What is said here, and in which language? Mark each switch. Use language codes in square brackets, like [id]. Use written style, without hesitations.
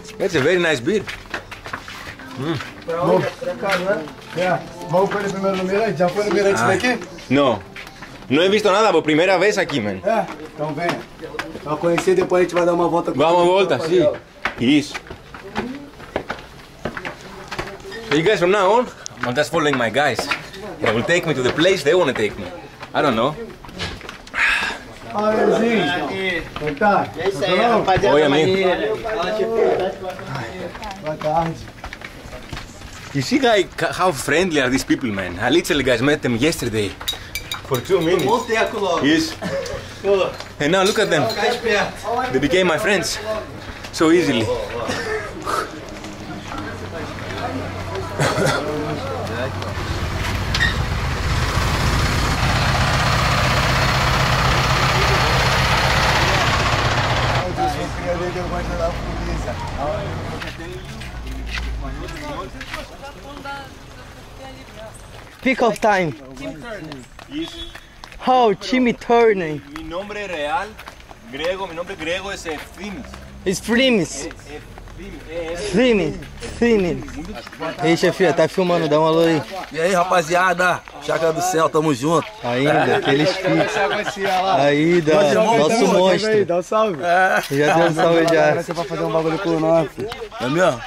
[pt] Esse é [en] very nice beer. [pt] Pra onde? Pra cá, não é? Vamos para o primeiro mirante? Já foi no mirante daqui? Não. [es] Não he visto nada, por primeira vez aqui, mano. [pt] É, então vem. Pra conhecer, depois a gente vai dar uma volta. Vamos uma volta, sim. Isso. [en] You guys from now on, I'm just following my guys. They will take me to the place they want to take me. I don't know. [pt] Olha, Zinho. Tá? É isso aí, rapaziada. Oi, amigo. Boa tarde. [en] You see, guys, how friendly are these people, man? I literally, guys, met them yesterday. For 2 minutes. [pt] Bom teco logo. [en] Isso. And now, look at them. They became my friends. So easily. Pick up time. How Timmy Turner? [es] Mi nombre real, griego, mi nombre griego es Efthymis. [en] It's Efthymis. [pt] Sim. Ei, chefia, tá filmando, dá um alô aí. E aí, rapaziada? Chaca do céu, tamo junto. Ainda, aqueles fixos. Aí, dá, nosso monstro. Dá um salve. Já deu um salve já. Você vai fazer um bagulho com o nosso. É mesmo?